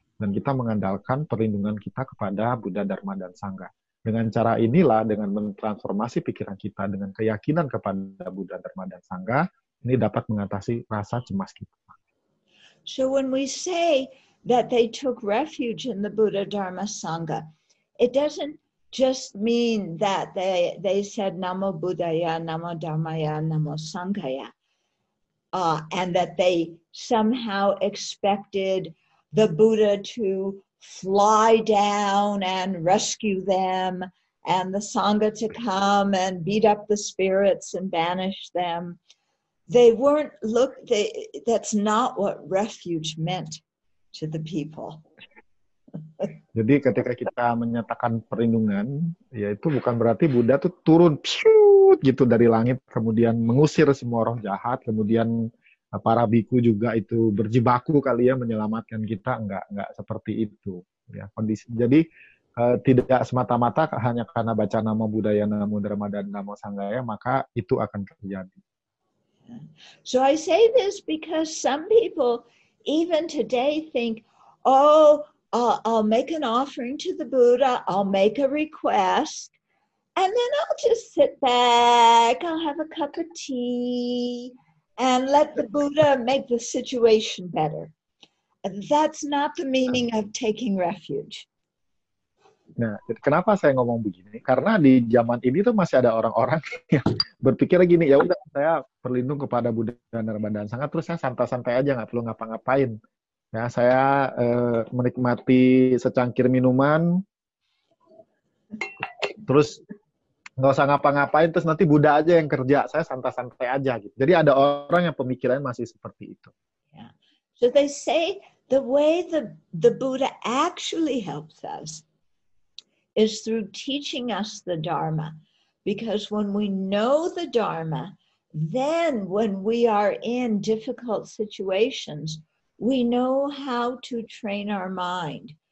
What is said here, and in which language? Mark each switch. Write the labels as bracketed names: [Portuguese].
[Indonesian] Dan kita mengandalkan perlindungan kita kepada Buddha, Dharma, dan Sangha. Dengan cara inilah, dengan mentransformasi pikiran kita dengan keyakinan kepada Buddha, Dharma, dan Sangha, ini dapat mengatasi rasa cemas kita. [English] So when we say that they took refuge in the Buddha, Dharma, Sangha, it doesn't just mean that they said Namo Buddhaya, Namo Dhammaya, Namo Sanghaya, and that they somehow expected the Buddha to fly down and rescue them, and the Sangha to come and beat up the spirits and banish them. They weren't that's not what refuge meant to the people. [Indonesian] Jadi ketika kita menyatakan perlindungan, ya itu bukan berarti Buddha tuh turun gitu dari langit kemudian mengusir semua roh jahat, kemudian para biku juga itu berjibaku kali ya menyelamatkan kita, enggak seperti itu ya kondisi. Jadi tidak semata-mata hanya karena baca nama budaya, nama dharma dan nama sanggaya, maka itu akan terjadi. [English] So I say this because some people even today think, oh, I'll make an offering to the Buddha, I'll make a request, and then I'll just sit back, I'll have a cup of tea, and let the Buddha make the situation better. That's not the meaning of taking refuge. [Indonesian] Nah, kenapa saya ngomong begini? Karena di zaman ini tuh masih ada orang-orang yang berpikir gini, ya udah saya berlindung kepada Buddha Dharma dan Sangha, terus saya santai-santai aja, nggak perlu ngapa-ngapain. Ya, saya menikmati secangkir minuman, terus nggak usah ngapa-ngapain, terus nanti Buddha aja yang kerja, saya santai-santai aja gitu. Jadi ada orang yang pemikirannya masih seperti itu. [English] Yeah. So they say the way the Buddha actually helps us is through teaching us the Dharma, because when we know the Dharma, then when we are in difficult situations, we know how to train our mind.